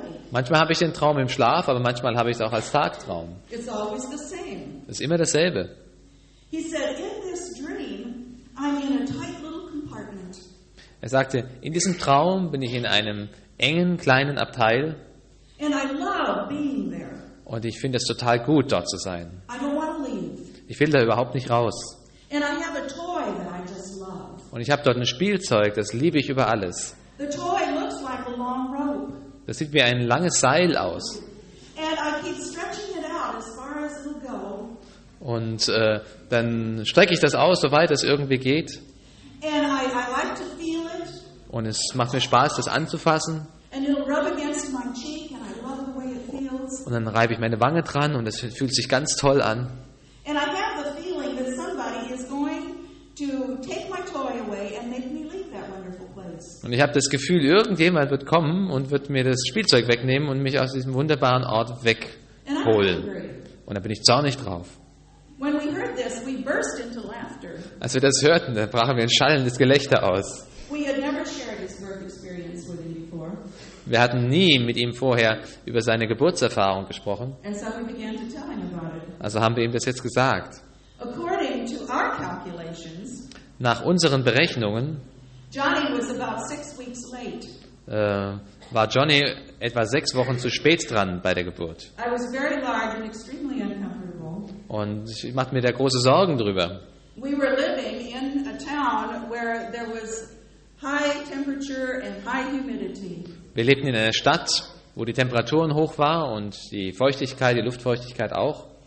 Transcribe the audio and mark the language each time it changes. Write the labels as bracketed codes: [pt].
[de] Manchmal habe ich den Traum im Schlaf, aber manchmal habe ich es auch als Tagtraum. [en] It's always the same. [de] Es ist immer dasselbe. [en] He said, in this dream, I'm in a tight little compartment. [de] Er sagte, in diesem Traum bin ich in einem engen, kleinen Abteil. [en] And I love being there. [de] Und ich finde es total gut, dort zu sein. [en] I don't want to leave. [de] Ich will da überhaupt nicht raus. [en] And I have a toy that I just love. [de] Und ich habe dort ein Spielzeug, das liebe ich über alles. [en] The toy looks like a long rope. [de] Das sieht wie ein langes Seil aus. [en] And I keep stretching it out as far as it'll go. [de] Und dann strecke ich das aus, soweit es irgendwie geht. [en] And I like to feel it. [de] Und es macht mir Spaß, das anzufassen. [en] And it'll rub against my cheek and I love the way it feels. [de] Und dann reibe ich meine Wange dran und es fühlt sich ganz toll an. [en] And I have the feeling that somebody is going to take my toy away and make me leave that wonderful place. [de] Und ich habe das Gefühl, irgendjemand wird kommen und wird mir das Spielzeug wegnehmen und mich aus diesem wunderbaren Ort wegholen. Und da bin ich zornig drauf. [en] When we heard this, we burst into laughter. [de] Als wir das hörten, da brachen wir ein schallendes Gelächter aus. [en] We had never shared his birth experience with him before. [de] Wir hatten nie mit ihm vorher über seine Geburtserfahrung gesprochen. [en] And so we began to tell him about it. [de] Also haben wir ihm das jetzt gesagt. [en] According to our calculations, [de] nach unseren Berechnungen, [en] Johnny was about 6 weeks late. [de] War Johnny etwa 6 Wochen zu spät dran bei der Geburt. [en] I was very large and extremely uncomfortable. [de] Und ich machte mir da große Sorgen drüber. [en] We were living in a town where there was high temperature and high humidity. [de] Wir lebten in einer Stadt, wo die Temperaturen hoch waren und die Feuchtigkeit, die Luftfeuchtigkeit auch.